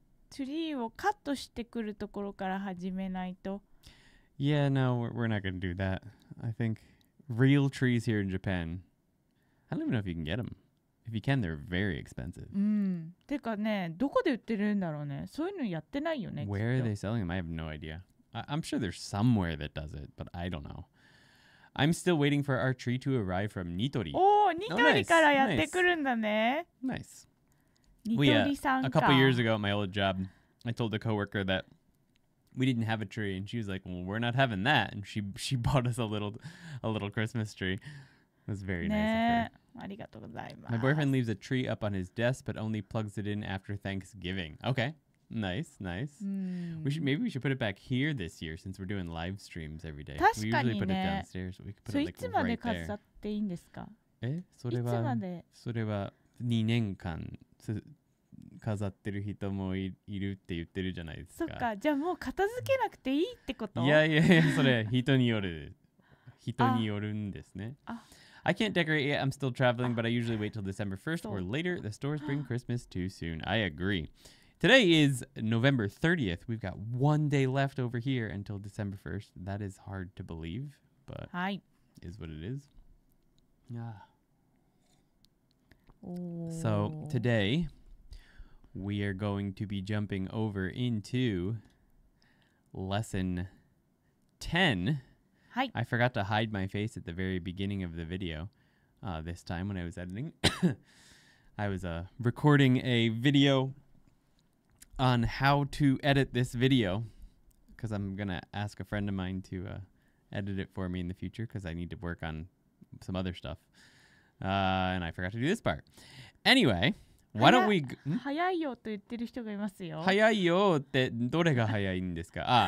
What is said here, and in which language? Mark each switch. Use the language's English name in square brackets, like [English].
[Japanese] ツリーをカットしてくるところから始めないと。 [English] Yeah, no, we're not going to do that. I think real trees here in Japan, I don't even know if you can get them. If you can, they're very expensive. [Japanese] てかね、どこで売ってるんだろうね。そういうのやってないよね。 [English] Where are they selling them? I have no idea. I'm sure there's somewhere that does it, but I don't know. I'm still waiting for our tree to arrive from Nitori. [Japanese] Oh, Nitori からやってくるんだね。 [English] Nice. [Japanese] Nitori-san. [English] A couple years ago at my old job, I told a coworker that we didn't have a tree, and she was like, well, we're not having that. And she bought us a little Christmas tree. It was very nice of her. [Japanese] ありがとうございます。 [English] My boyfriend leaves a tree up on his desk, but only plugs it in after Thanksgiving. Okay. Nice, nice. Maybe we should put it back here this year since we're doing live streams every day. [Japanese] 確かにね。 [English] We usually put it downstairs. We could put it like right there. [Japanese] いつまで飾っていいんですか？え、それは、それは2年間飾ってる人もいるって言ってるじゃないですか。そっか、じゃあもう片付けなくていいってこと？いやいやいや、それ人による。人によるんですね。 [English] I can't decorate yet. I'm still traveling, but I usually wait till December 1st or later. The stores bring Christmas too soon. I agree. Today is November 30th. We've got one day left over here until December 1st. That is hard to believe, but is what it is. Yeah. So today, we are going to be jumping over into lesson 10. Hi. I forgot to hide my face at the very beginning of the video this time when I was editing. I was recording a video... on how to edit this video because I'm gonna ask a friend of mine to edit it for me in the future because I need to work on some other stuff and I forgot to do this part anyway why don't we [Japanese] 早いよと言ってる人がいますよ早いよってどれが早いんですか